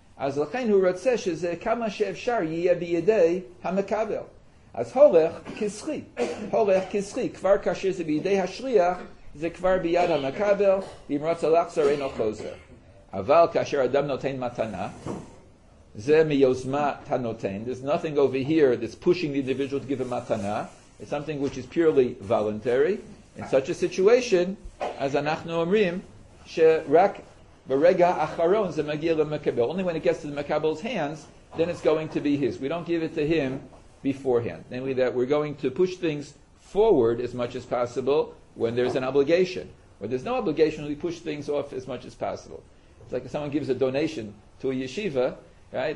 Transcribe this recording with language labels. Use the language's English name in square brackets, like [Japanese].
[Hebrew] אז לכן הוא רוצה שזה כמה שאפשר יהיה בידי המקבל. אז הולך כסחי, הולך כסחי, כבר כאשר זה בידי השליח, זה כבר ביד המקבל, ואם רוצה לחזור אינו חוזר. אבל כאשר אדם נותן מתנה, זה מיוזמת הנותן. [English] There's nothing over here that's pushing the individual to give a matana. It's something which is purely voluntary. In such a situation, as [Hebrew] אנחנו אומרים, שרק ברגע האחרון זה מגיע למקבל. [English] Only when it gets to the Makabel's hands, then it's going to be his. We don't give it to him beforehand. Namely that we're going to push things forward as much as possible when there's an obligation. When there's no obligation, we push things off as much as possible. It's like if someone gives a donation to a yeshiva, right?